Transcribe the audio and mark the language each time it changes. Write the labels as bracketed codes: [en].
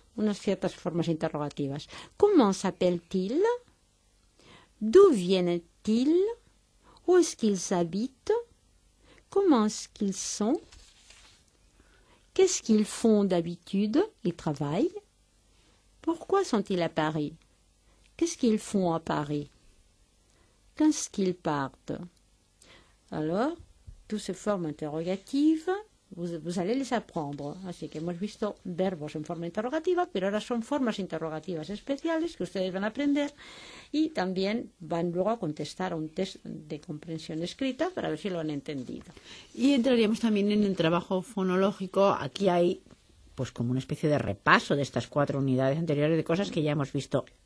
[es] Unas ciertas formas interrogativas. [fr] ¿Comment s'appelle-t-il? ¿D'où viennent-ils? ¿Où est-ce qu'ils habitent? ¿Comment est-ce qu'ils sont? ¿Qu'est-ce qu'ils font d'habitude? ¿Ils travaillent? ¿Pourquoi sont-ils à Paris? ¿Qu'est-ce qu'ils font à Paris? Quand est-ce qu'ils partent? Alors, toutes ces formes interrogatives, vous allez les apprendre. [es] Así que hemos visto verbos en forma interrogativa, pero ahora son formas interrogativas especiales que ustedes van a aprender y también van luego a contestar a un test de comprensión escrita para ver si lo han entendido. Y entraríamos también en el trabajo fonológico. Aquí hay, pues, como una especie de repaso de estas cuatro unidades anteriores de cosas que ya hemos visto.